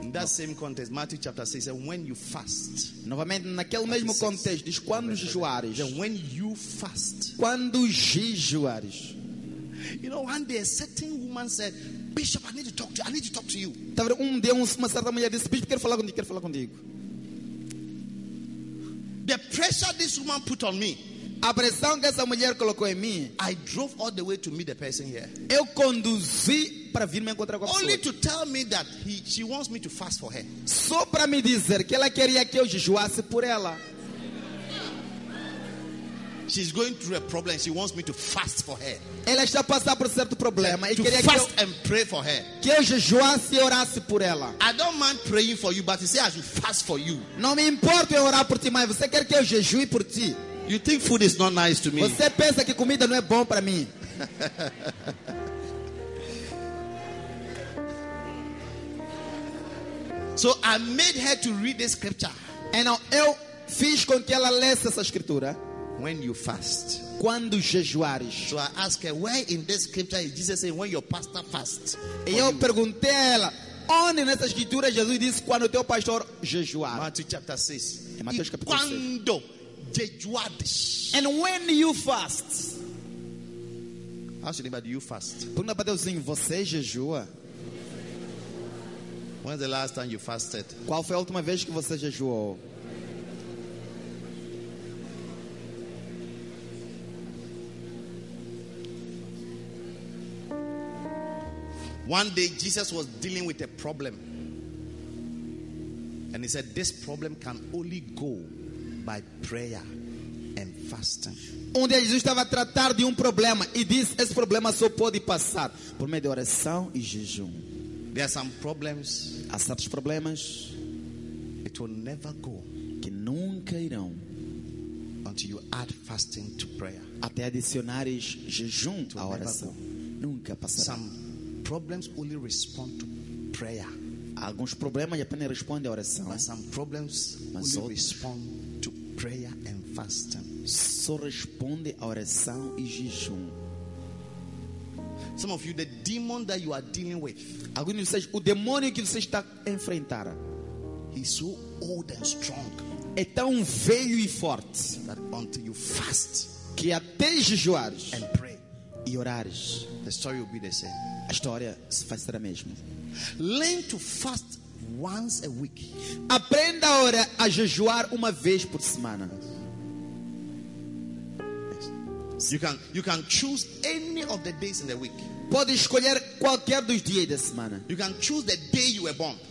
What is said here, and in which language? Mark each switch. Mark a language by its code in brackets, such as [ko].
[en] In that same context, Matthew chapter 6 says, when you fast. [pt] Novamente, naquele mesmo contexto, diz quando jejuares. [en] When you fast. [pt] Quando jejuares. [en] You know, one day a certain woman said, Bishop, I need to talk to you. I need to talk to you. [pt] Tá vendo? Um dia uma certa mulher disse, Bishop, quero falar contigo, quero falar contigo. [en] The pressure this woman put on me. [pt] A pressão que essa mulher colocou em mim. [en] I drove all the way to meet the person here. [pt] Eu conduzi para vir me encontrar com a pessoa. [en] Only to tell me that she wants me to fast for her. [pt] Só para me dizer que ela queria que eu jejuasse por ela. [en] She's going through a problem. She wants me to fast for her. [pt] Ela está passando por um certo problema e [en] to [pt] queria [en] fast [pt] que eu, [en] and pray for her. [pt] Que eu jejuasse e orasse por ela. [en] I don't mind praying for you, but you say I should fast for you. [pt] Não me importo em orar por ti, mas você quer que eu jejue por ti? [en] You think food is not nice to me? [pt] Você pensa que comida não é bom para mim? [en] So I made her to read this scripture. [pt] Então eu fiz com que ela lesse essa escritura. [en] When you fast. [pt] Quando jejuares. [en] So I asked her, where in this scripture is Jesus saying when your pastor fasts? [pt] E eu perguntei a ela, onde nessa escritura Jesus disse quando o teu pastor jejuar? [en] Matthew chapter 6. [pt] Em Mateus capítulo 6. Quando jejuades. [en] And when you fast. Ask anybody, you fast. [pt] Pergunta para Deusinho, você jejua? [en] When's the last time you fasted? [pt] Qual foi a última vez que você jejuou? [en] One day Jesus was dealing with a problem. And he said, this problem can only go by prayer and fasting. [pt] Um dia Jesus estava a tratar de um problema e disse, esse problema só pode passar por meio de oração e jejum. [en] There are some problems. [pt] Há certos problemas. [en] It will never go. [pt] Que nunca irão. [en] Until you add fasting to prayer. [pt] Até adicionares jejum à oração. Nunca passará. [en] Some problems only respond to prayer. [pt] Alguns problemas apenas respondem à oração. [en] But some problems [pt] Mas [en] only respond to prayer and fasting. [pt] Só responde à oração e jejum. [en] Some of you, the demon that you are dealing with. [pt] Alguns de vocês, o demônio que você está enfrentando. [en] He's so old and strong. [pt] É tão velho e forte. [en] That until you fast. [pt] Que até jejuares. [en] And pray. [pt] E orares. [en] The story will be the same. [pt] A história vai ser a mesma. [en] Learn to fast once a week. [pt] Aprenda a orar, a jejuar uma vez por semana. [en] You can choose any of the days in the week. [pt] Pode escolher qualquer dos dias da semana. [en] You can choose the day you were born.